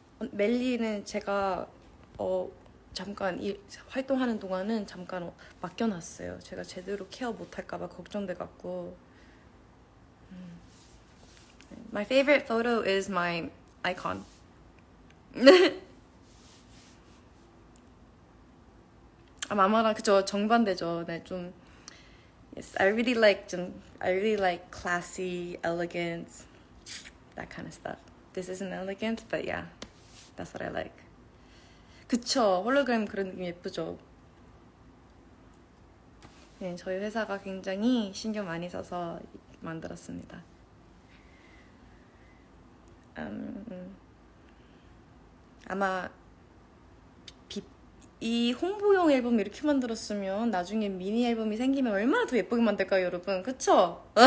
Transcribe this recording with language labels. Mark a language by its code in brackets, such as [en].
[ko] 멜리는 제가 잠깐 활동하는 동안은 잠깐 맡겨놨어요. 제가 제대로 케어 못할까봐 걱정돼갖고. [en] My favorite photo is my icon. [ko] 아, 마마랑 그쵸 정반대죠. 네, 좀 [en] yes, I really like classy, elegant, that kind of stuff. This isn't elegant, but yeah. That's what I like. [ko] 그쵸? 홀로그램 그런 느낌 예쁘죠? 네, 저희 회사가 굉장히 신경 많이 써서 만들었습니다. 아마 이 홍보용 앨범 이렇게 만들었으면 나중에 미니 앨범이 생기면 얼마나 더 예쁘게 만들까요, 여러분? 그쵸?